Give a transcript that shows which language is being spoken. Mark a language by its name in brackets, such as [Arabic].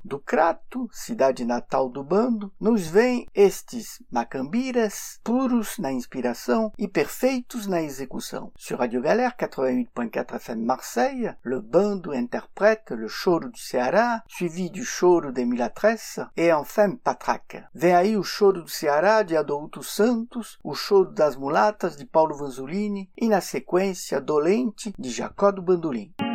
[Portuguese] Do Crato, cidade natal do bando, nos vêm estes macambiras puros na inspiração e perfeitos na execução. [French] Sur Radio Galère 88.4 FM Marseille, le bando interprète le choro do Ceará, suivi du choro de Milatresse et enfin Patraca. [Portuguese] Vem aí o choro do Ceará de Adolto Santos, o choro das mulatas de Paulo Vanzolini e na sequência Dolente de Jacó do Bandolim.